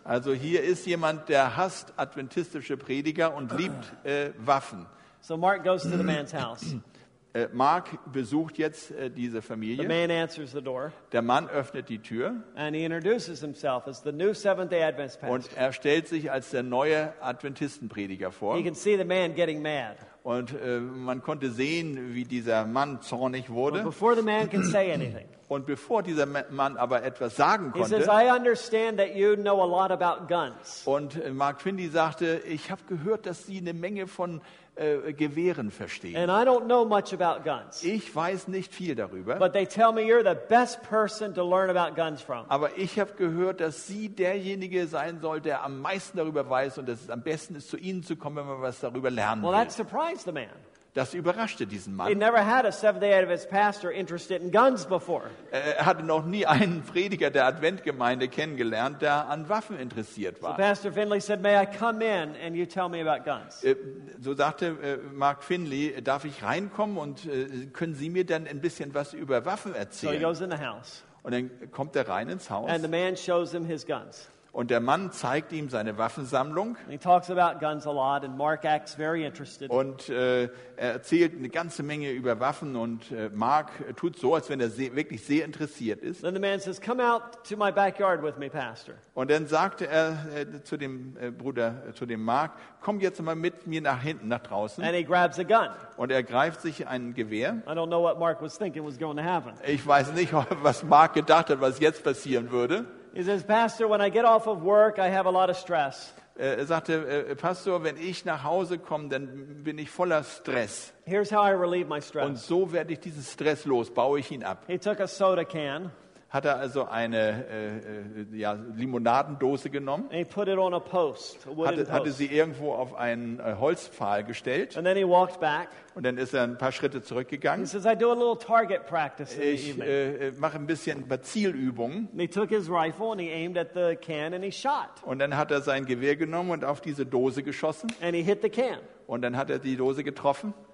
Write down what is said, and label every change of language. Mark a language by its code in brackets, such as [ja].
[de] Also hier ist jemand, der hasst adventistische Prediger und liebt Waffen. [en] So Mark goes to the man's house. [de] Mark besucht jetzt diese Familie. [en] The man answers the door. [de] Der Mann öffnet die Tür. [en] And he introduces himself as the new Seventh-day Adventist pastor. [de] Und er stellt sich als der neue Adventistenprediger vor. [en] He can see the man getting mad. [de] Und man konnte sehen, wie dieser Mann zornig wurde. [en] But before the man can say anything. [de] Und bevor dieser Mann aber etwas sagen konnte, [en] he says, I understand that you know a lot about guns. [de] Und Mark Twindy sagte, ich habe gehört, dass Sie eine Menge von Gewehren verstehen. [en] And I don't know much about guns. [de] Ich weiß nicht viel darüber. [en] But they tell me you're the best person to learn about guns from. [de] Aber ich habe gehört, dass Sie derjenige sein soll, der am meisten darüber weiß und dass es am besten ist, zu Ihnen zu kommen, wenn man was darüber lernen will. [en] Well, that surprised the man. [de] Das überraschte diesen Mann. [en] He never had a Seventh-day Adventist pastor interested in guns before. [de] Er hatte noch nie einen Prediger der Adventgemeinde kennengelernt, der an Waffen interessiert war. [en] So Pastor Finley said, "May I come in and you tell me about guns?" [de] So sagte Mark Finley, "Darf ich reinkommen und können Sie mir dann ein bisschen was über Waffen erzählen?" [en] So he goes in the house. [de] Und dann kommt er rein ins Haus. [en] And the man shows him his guns. [de] Und der Mann zeigt ihm seine Waffensammlung. [en] He talks about guns a lot, and Mark acts very interested. [de] Und er erzählt eine ganze Menge über Waffen und Mark tut so, als wenn er wirklich sehr interessiert ist. [en] Then the man says, "Come out to my backyard with me, Pastor." [de] Und dann sagte er zu dem Bruder, zu dem Mark, "Komm jetzt mal mit mir nach hinten, nach draußen." [en] And he grabs a gun. [de] Und er greift sich ein Gewehr. [en] I don't know what Mark was thinking was going to happen. [de] Ich weiß nicht, was Mark gedacht hat, was jetzt passieren würde. [en] He says, "Pastor, when I get off of work, I have a lot of stress." [de] Er sagte, Pastor, wenn ich nach Hause komme, dann bin ich voller Stress. [en] Here's how I relieve my stress. [de] Und so werde ich diesen Stress los, baue ich ihn ab. [en] He took a soda can. [de] Hat er also eine Limonadendose genommen? [en] And he put it on a post, a wooden post. [de] Hatte sie irgendwo auf einen Holzpfahl gestellt? [en] And then he walked back. [de] Und dann ist er ein paar Schritte zurückgegangen. [en] He says, "I do a little target practice in the evening." [de] Ich mache ein bisschen Zielübungen. [en] And he took his rifle and he aimed at the can and he shot. [de] Und dann hat er sein Gewehr genommen und auf diese Dose geschossen. [en] And he hit the can. [de] Und dann hat er die Dose getroffen.